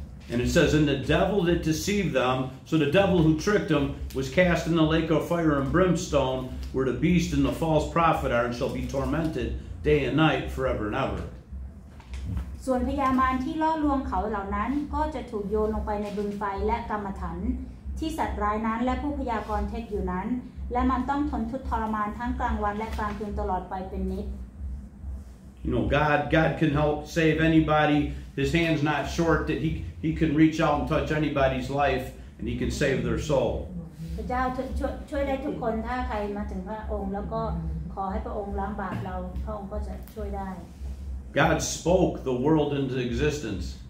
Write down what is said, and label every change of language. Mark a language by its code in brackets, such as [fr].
[en] And it says, and the devil that deceived them, so the devil who tricked them was cast in the lake of fire and brimstone, where the beast and the false prophet are, and shall be tormented day and night forever and ever. [th] ส่วนพยามารที่ล่อลวงเขาเหล่านั้นก็จะถูกโยนลงไปในบึงไฟและกรรมฐานที่สัตว์ร้ายนั้นและผู้พยากรณ์เท็จอยู่นั้นและมันต้องทนทุกข์ทรมานทั้งกลางวันและกลางคืนตลอดไปเป็นนิด [en] You know, God can help save anybody. His hand's not short that he can reach out and touch anybody's life and he can save their soul. [th] พระเจ้าช่วยได้ทุกคนถ้าใครมาถึงพระองค์แล้วก็ขอให้พระองค์ล้างบาปเราพระองค์ก็จะช่วยได้ [en] God spoke the world into existence.